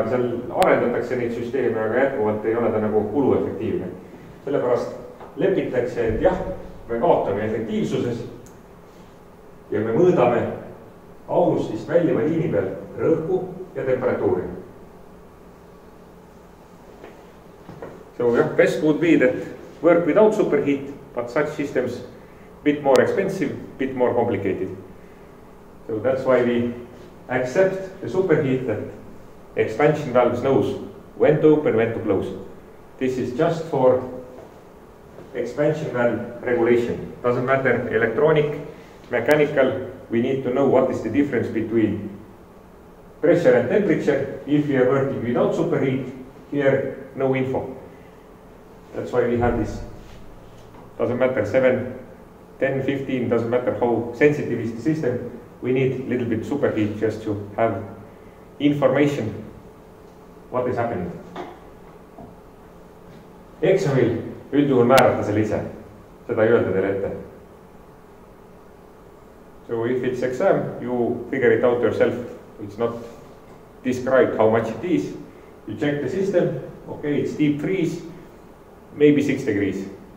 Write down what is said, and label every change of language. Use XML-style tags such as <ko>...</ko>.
<et>Seal arendatakse neid süsteeme, aga jätkuvalt ei ole ta nagu kuluefektiivne. Sellepärast lepitakse, et jah, me kaotame efektiivsuses ja me mõõdame aurustist väljava liini peal rõhku ja temperatuuri.</et> <en>So yeah, best would be that work without superheat, but such systems bit more expensive, bit more complicated. So that's why we accept the superheat, that expansion valves knows when to open, when to close. This is just for expansion valve regulation. Doesn't matter electronic, mechanical, we need to know what is the difference between pressure and temperature if we are working without superheat. Here, no info. That's why we have this. Doesn't matter 7, 10, 15, doesn't matter how sensitive is the system. We need a little bit superheat just to have information what is happening.</en> <et>Eksamil üldjuhul määrata selle ise, seda ei öelda teile ette.</et> <en>So if it's exam, you figure it out yourself. It's not described how much it is. You check the system, okay, it's deep freeze, maybe 6 degrees.</en>